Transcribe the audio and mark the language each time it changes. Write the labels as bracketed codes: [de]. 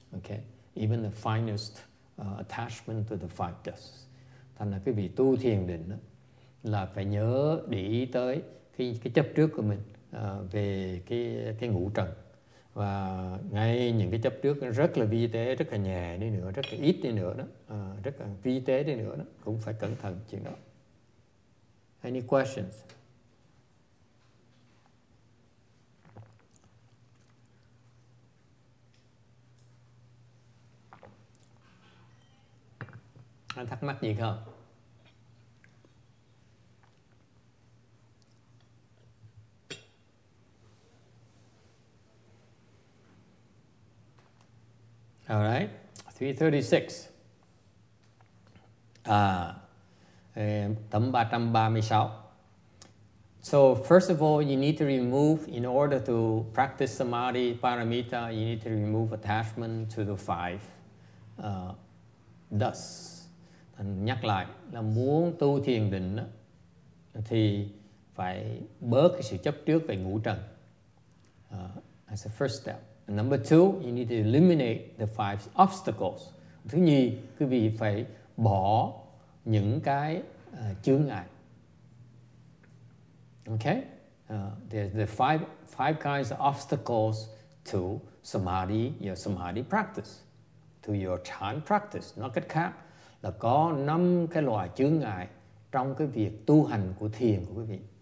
[en] Okay, even the finest attachment to the five dusts. [vi] Thành là quý vị tu thiền định đó, là phải nhớ để ý tới cái chấp trước của mình về cái ngũ trần, và ngay những cái chấp trước rất là vi tế, rất là nhẹ đi nữa, rất là ít đi nữa đó, rất là vi tế đi nữa đó, cũng phải cẩn thận chuyện đó. [en] Any questions? [vi] Anh thắc mắc gì không? [en] All right, 336. [vi] Tấm 336. [en] So first of all, you need to remove, in order to practice samadhi paramita, you need to remove attachment to the five dusts. [vi] Thành nhắc lại là muốn tu thiền định đó, thì phải bớt cái sự chấp trước về ngũ trần. [en] That's the first step. Number two, you need to eliminate the five obstacles. [vi] Thứ nhì, quý vị phải bỏ những cái chướng ngại. [en] Okay? There's the five kinds of obstacles to samadhi, your samadhi practice, to your chan practice. [vi] Nói cách khác là có năm cái loại chướng ngại trong cái việc tu hành của thiền của quý vị.